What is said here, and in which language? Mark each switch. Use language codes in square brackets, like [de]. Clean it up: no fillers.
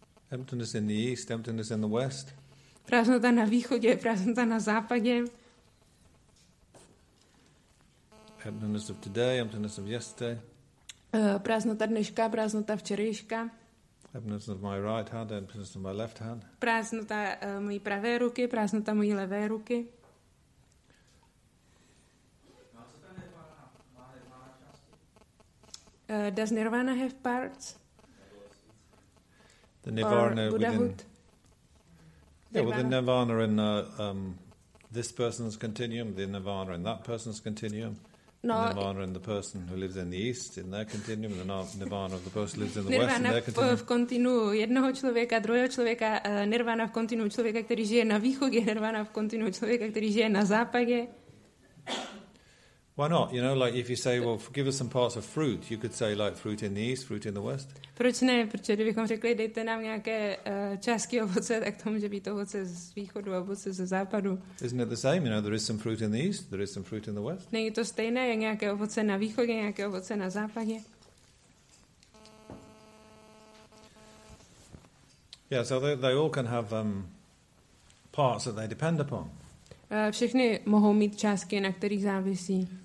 [en] Emptiness in the east, emptiness in the west. [cs] Prázdnota na východě, prázdnota na západě. [en] Emptiness of today, emptiness of yesterday. [cs] Prázdnota dneška, prázdnota včerejška. [en] Emptiness of my right hand, emptiness of my left hand. [cs] Prázdnota mojí pravé ruky, prázdnota mojí levé ruky. [en] Does Nirvana have parts? The Nirvana within, yeah, within Nirvana in this person's continuum, the Nirvana in that person's continuum, no, the Nirvana in the person who lives in the east in their continuum, the Nirvana of the person who lives in the west in their continuum. [cs] Nirvana v kontinuu jednoho člověka, druhého člověka, Nirvana v kontinuu člověka, který žije na východě, Nirvana v kontinuu člověka, který žije na západě. [en] Why not? You know, like if you say, well, give us some parts of fruit, you could say like fruit in the east, fruit in the west. [cs] Proč ne? Protože kdybychom řekli, dejte nám nějaké částky ovoce, tak to může být ovoce z východu a ovoce ze západu. [en] Isn't it the same? You know, there is some fruit in the east, there is some fruit in the west. [cs] Není to stejné, je nějaké ovoce na východě, nějaké ovoce na západě. [en] Yeah, so they all can have parts that they depend upon. [cs] Všechny mohou mít částky, na kterých závisí.